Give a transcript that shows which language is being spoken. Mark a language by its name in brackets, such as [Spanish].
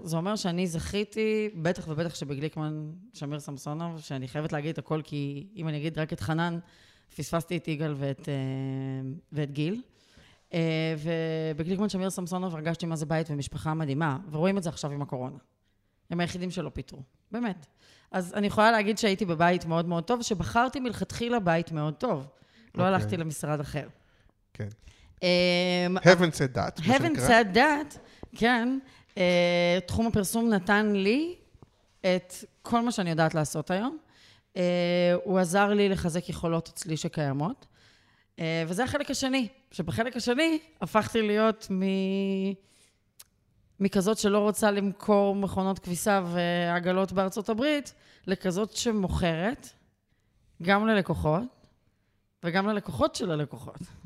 [Hebrew] זה אומר שאני זכיתי, בטח ובטח שבגליקמן שמיר סמסונוב, שאני חייבת להגיד את הכל, כי אם אני אגיד רק את חנן, פספסתי את איגל ואת, ואת גיל. ובגליקמן שמיר סמסונוב הרגשתי מה זה בית ומשפחה מדהימה, ורואים את זה עכשיו עם הקורונה. הם היחידים שלא פיתרו, באמת. אז אני יכולה להגיד שהייתי בבית מאוד מאוד טוב, שבחרתי מלכתחילה בית מאוד טוב. Okay. לא הלכתי למשרד אחר. [English] כן. Haven't said that. Haven't said that, כן. [Hebrew] תחום הפרסום נתן לי את כל מה שאני יודעת לעשות היום. הוא עזר לי לחזק יכולות אצלי שקיימות. וזה החלק השני, שבחלק השני הפכתי להיות מכזאת שלא רוצה למכור מכונות כביסה ועגלות בארצות הברית, לכזאת שמוכרת גם ללקוחות וגם ללקוחות של הלקוחות.